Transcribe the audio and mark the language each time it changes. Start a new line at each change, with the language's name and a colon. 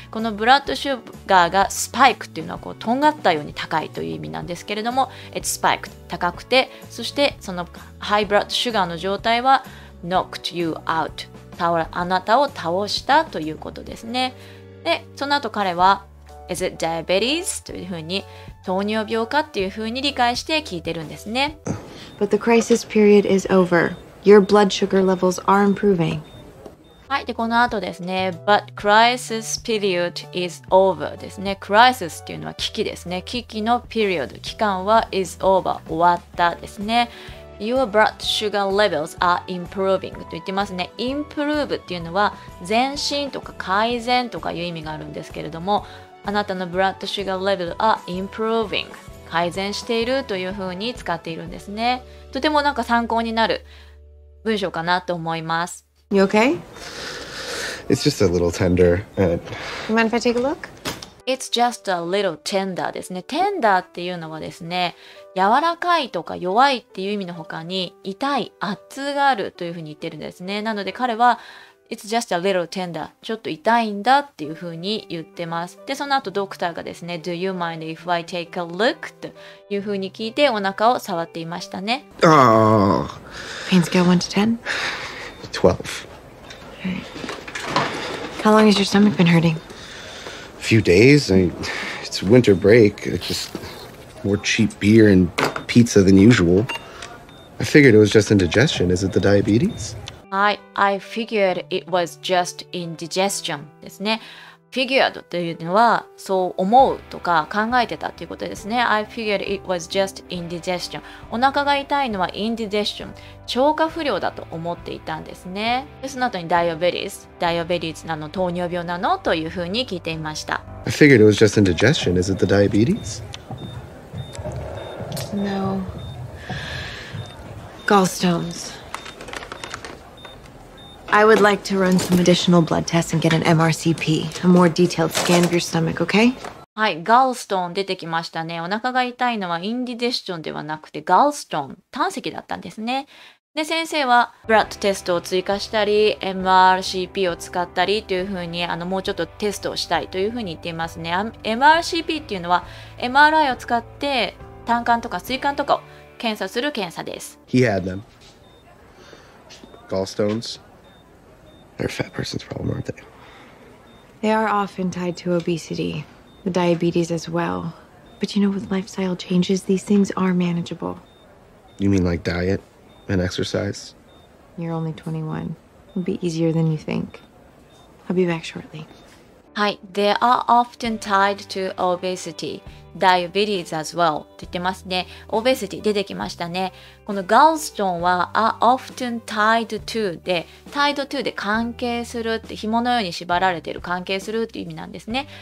Japanese: このブラッドシュガーが spike っていうのは、こうとんがったように高いという意味なんですけれども、
English: It spiked
Japanese: 高くて、そしてその high blood sugar の状態は
English: knocked you out、
Japanese: あなたを倒したということですね。で、その後彼は
English: Is it diabetes?
Japanese: というふうに、糖尿病かっていうふうに理解して聞いてるんですね。
English: But the crisis period is over. Your blood sugar levels are improving.
Japanese: はい、で、この後ですね、
English: But crisis period is over
Japanese: ですね。 Crisis っていうのは危機ですね。危機の period、 期間は
English: is over、
Japanese: 終わったですね。
English: Your blood sugar levels are improving
Japanese: と言ってますね。 Improve っていうのは前進とか改善とかいう意味があるんですけれども、あなたの
English: blood sugar level are improving、
Japanese: 改善しているというふうに使っているんですね。とてもなんか参考になる文章かなと思います。
English: You okay? It's just a little tender. You mind if I take a look? It's just a little tender
Japanese: ですね。 Tender っていうのはですね、柔らかいとか弱いっていう意味の他に、痛い、熱があるというふうに言ってるんですね。なので彼は、
English: It's just a little tender.
Japanese: ちょっと痛いんだっていうふうに言ってます。で、その後ドクターがですね、
English: Do you mind if I take a look?
Japanese: というふうに聞いてお腹を触っていましたね。
English: Pain scale 1 to 10? 12. How long has your stomach been hurting? A few days. I mean, it's winter break. It's just more cheap beer and pizza than usual. I figured it was just indigestion. Is it the diabetes? I figured it was just indigestion
Japanese: ですね。 Figured というのはそう思うとか考えてたということですね。
English: I figured it was just indigestion。
Japanese: お腹が痛いのは indigestion、 消化不良だと思っていたんですね。で、その後に diabetes、 diabetes なの、糖尿病なのというふうに聞いていました。
English: I figured it was just indigestion. Is it the diabetes? No. Gallstones. I would like to run some additional blood tests and get an MRCP, a more detailed scan of your stomach, okay?
Japanese: はい、ガールストーン出てきましたね。お腹が痛いのはインディジェスチョンではなくてガールストーン、胆石だったんですね。で、先生はブラッドテストを追加したり、MRCP を使ったりというふうに、もうちょっとテストをしたいというふうに言っていますね。 MRCP っていうのは、MRI を使って胆管とか膵管とかを検査する検査です。
English: He had them. Gallstones. They're a fat person's problem, aren't they? They are often tied to obesity, the diabetes as well. But you know, with lifestyle changes, these things are manageable. You mean like diet and exercise? You're only 21. It'll be easier than you think. I'll be back shortly.
Japanese: はい、
English: They are often tied to obesity. Diabetes as well.
Japanese: って言ってますね。 Obesity 出てきましたね。この gallstone は
English: are often tied to
Japanese: で、tied to で関係するって、紐のように縛られている、関係するっていう意味なんですね。